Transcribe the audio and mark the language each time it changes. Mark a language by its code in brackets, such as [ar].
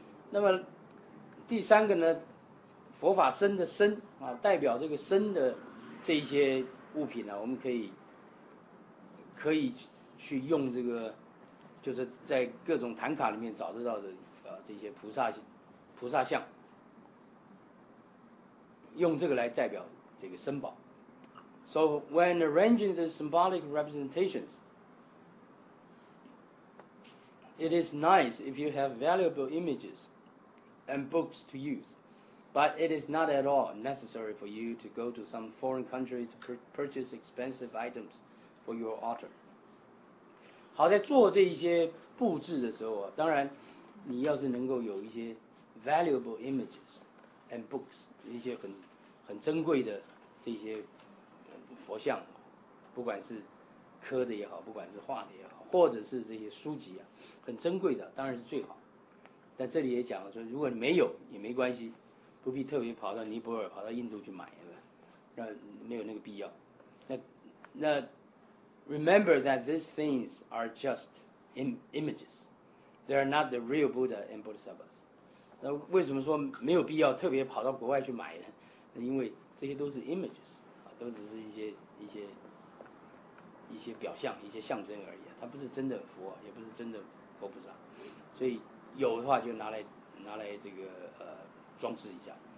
[zh] 那么第三个呢，佛法身的身啊，代表这个身的这些物品呢，我们可以去用这个，就是在各种坛卡里面找得到的这些菩萨像，用这个来代表这个身宝。 [en] So when arranging the symbolic representations, it is nice if you have valuable images and books to use. But it is not at all necessary for you to go to some foreign country to purchase expensive items for your altar. [zh] 好，在做这一些布置的时候，当然你要是能够有一些 [en] valuable images and books, [zh] 一些很珍贵的这些佛像，不管是刻的也好，不管是画的也好，或者是这些书籍啊，很珍贵的当然是最好。但这里也讲了说，如果你没有也没关系，不必特别跑到尼泊尔跑到印度去买了，那没有那个必要。 [en] 那 remember that these things are just images. They are not the real Buddha and Bodhisattvas. [zh] 那为什么说没有必要特别跑到国外去买呢？那因为这些都是 images, 都只是一些表象，一些象征而已，它不是真的佛，也不是真的佛菩萨。所以有的话就拿来这个装饰一下。